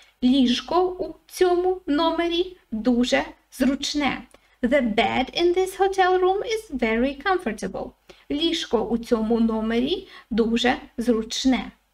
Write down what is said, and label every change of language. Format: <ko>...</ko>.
<uk>Ліжко у цьому номері дуже зручне.</uk> <en>The bed in this hotel room is very comfortable.</en> <uk>Ліжко у цьому номері дуже зручне.</uk>